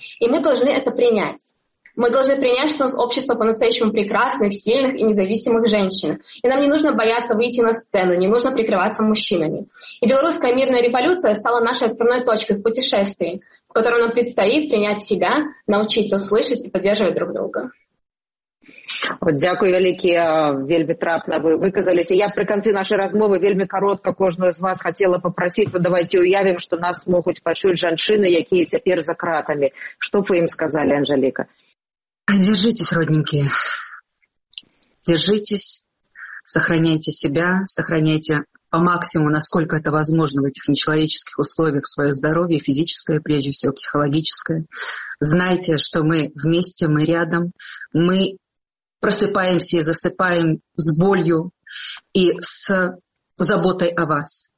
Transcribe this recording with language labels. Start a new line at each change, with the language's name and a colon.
Russian: И мы должны это принять. Мы должны принять, что у нас общество по-настоящему прекрасных, сильных и независимых женщин. И нам не нужно бояться выйти на сцену, не нужно прикрываться мужчинами. И белорусская мирная революция стала нашей отправной точкой в путешествии, в котором нам предстоит принять себя, научиться слышать и поддерживать друг друга.
Belarusian: От дякую вялікі, вельмі трапна вы выказаліся. Я пры канцы нашай размовы вельмі коротко кожную з вас хацела папрасіць, вы давайце уявім, што нас могуць пачуць жанчыны, якія цяпер за кратамі. Што б вы ім сказалі, Анжаліка?
Russian: Держитесь, родненькие. Держитесь, сохраняйте себя, сохраняйте по максимуму, насколько это возможно в этих нечеловеческих условиях, свое здоровье, физическое, прежде всего, психологическое. Знайте, что мы вместе, мы рядом, мы просыпаемся и засыпаем с болью и с заботой о вас.